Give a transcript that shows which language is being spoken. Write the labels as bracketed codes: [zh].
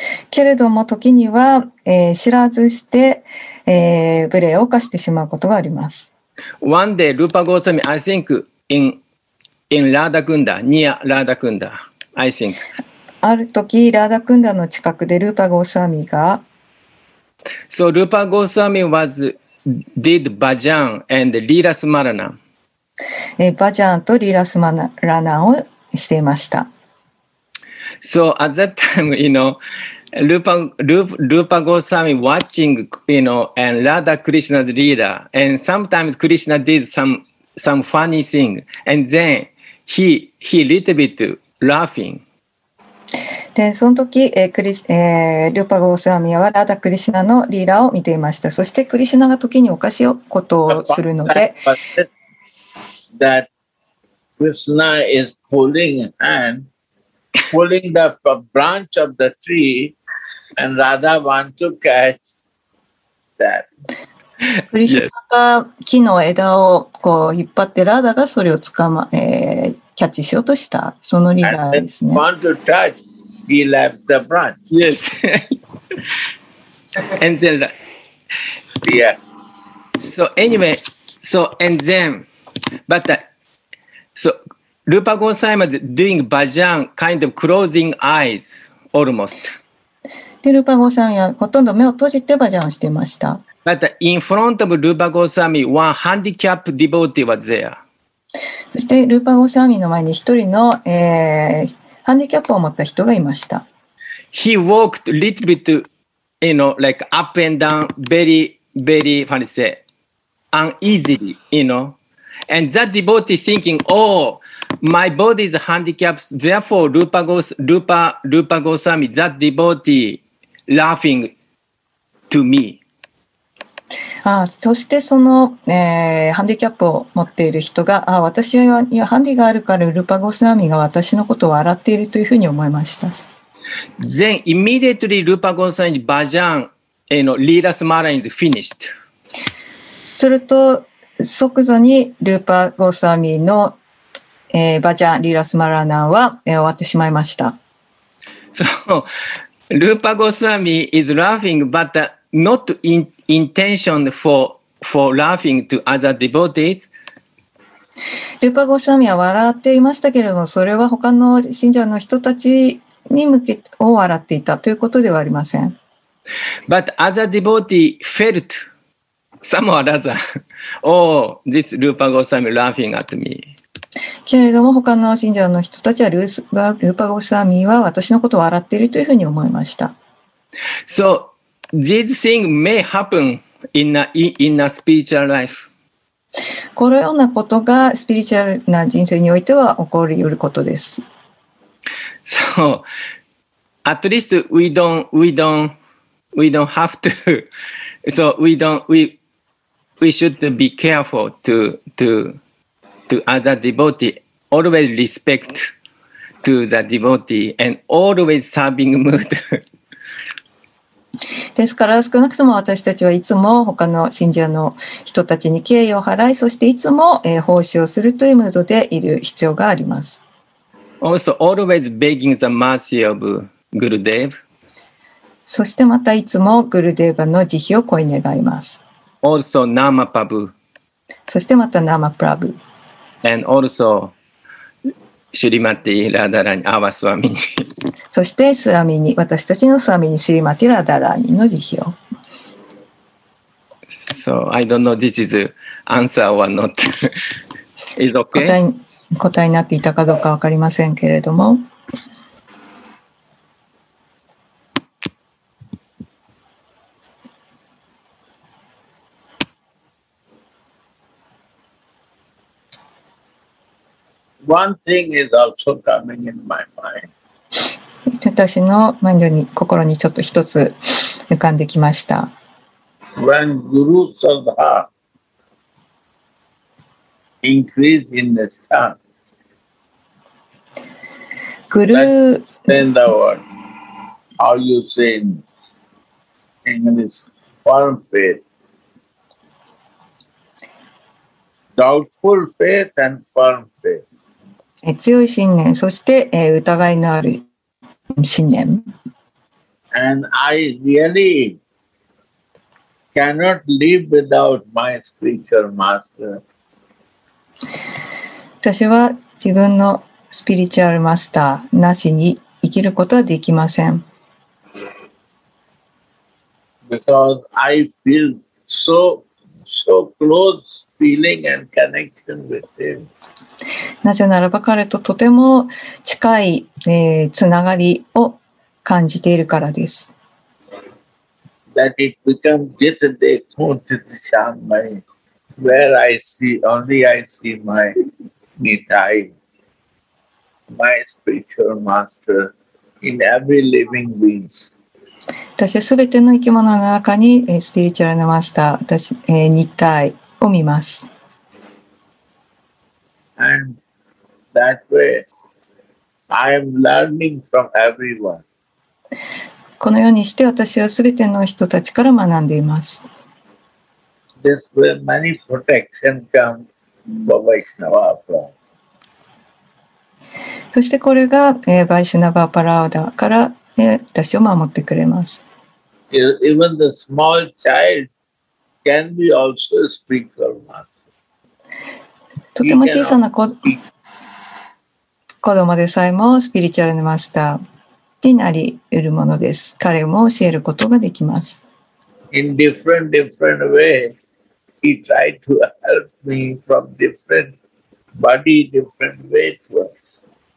[ja] けれども時には、知らずして、無礼を犯してしまうことがあります。 [en] One day, Rupa Goswami, I think in Radha Kunda, near Radha Kunda, I think. [ja] ある時、Radha Kunda の近くで Rupa Goswami が [en] So Rupa Goswami was did Bhajan and Lila Smarana. [ja] Bhajan と Lila Smarana をしていました。 [en] So at that time, you know, Rupa Goswami watching, you know, and Radha Krishna's leader, and sometimes Krishna did some funny thing, and then he little bit laughing. [ja] で、その時、ルーパゴースワミはラダ・クリシナのリーラを見ていました。そしてクリシナが時におかしいことをするので。 [en] Krishna is pulling the branch of the tree, and Radha wants to catch that. [ja] クリシナが木の枝をこう引っ張って、ラダがそれを捕ま、キャッチしようとした、そのリーダーですね。 [en] Want to touch, he left the branch. Yes. And then, yeah. So anyway, so and then, but the, So Rupa Gosai was doing bhajan, kind of closing eyes, almost. [ja] で、ルーパゴサミはほとんど目を閉じてバジャンをしていました。 [en] But in front of ルーパゴサミ, one handicapped devotee was there. [ja] そしてルーパゴサミの前に一人の、ハンディキャップを持った人がいました。 [en] He walked a little bit, you know, like up and down, very, very, how do you say, uneasily, you know. And that devotee thinking, oh,My body is handicapped, therefore Rupa Gosami, that devotee, laughing to me. [ja] ああそしてその、ハンディキャップを持っている人が、ああ私にはハンディがあるからルパゴスワミが私のことを笑っているというふうに思いました。 [en] Then immediately Rupa Gosami Bhajan and Lila Smara is finished. [ja] すると即座にルパゴスワミのバジャン・リラスマラナは、終わってしまいました。 [en] So, Rupa Goswami is laughing, but not intention for laughing to other devotees. [ja] Rupa Goswami は笑っていましたけれども、それは他の信者の人たちに向けて笑っていたということではありません。 [en] But other devotees felt some or other, oh, this Rupa Goswami laughing at me. [ja] けれども他の信者の人たちはルーパゴスワミは私のことを笑っているというふうに思いました。 [en] So, these things may happen in a spiritual life. [ja] このようなことがスピリチュアルな人生においては起こり得ることです。 [en] So, at least we don't have to, so we should be careful to other devotee, always respect to the devotee and always serving mood. [ja] ですから少なくとも私たちはいつも他の信者の人たちに敬意を払い、そしていつも奉仕をするというムードでいる必要があります。 [en] Also, always begging the mercy of Gurudev. [ja] そしてまたいつもグルデーバの慈悲を乞い願います。 [en] Also, Nama Prabhu. [ja] そしてまた Nama Prabhu. [en] And also, Shrimati Radharani, our Swami. [ja] そして、スワミに、私たちのスワミに、シュリマティ・ラダラニの慈悲を。 [en] So, I don't know this is answer or not. Is okay? [ja] 答えになっていたかどうか分かりませんけれども。 [en] One thing is also coming in my mind. [ja] 私のマインドに心にちょっと一つ浮かんできました。 [en] When Guru Sadha increased in the sky, Guru then the word, how you say in English, firm faith, doubtful faith and firm faith. [ja] 強い信念、そして、疑いのある信念。 [en] And I really cannot live without my spiritual master. [ja] 私は自分のスピリチュアルマスターなしに生きることはできません。 [en] Because I feel so close feeling and connection with him. [ja] なぜならば彼ととても近い、つながりを感じているからです。 [en] That it becomes get a day haunted shamai, where I see, only I see my Nitai, my spiritual master in every living beings. [ja] 私はすべての生き物の中にスピリチュアルなマスター、私、Nitai を見ます。 [en] And that way, I am learning from everyone. [ja] このようにして私はすべての人たちから学んでいます。 [en] This way, many protection comes from Vaishnava from. [ja] そしてこれが、Vaishnava Parada から、私を守ってくれます。 [en] Even the small child can be also a spiritual master. [ja] とても小さな子子供でさえもスピリチュアルのマスターになり得るものです。彼も教えることができます。 [en] In different way he tried to help me from different body different way to us。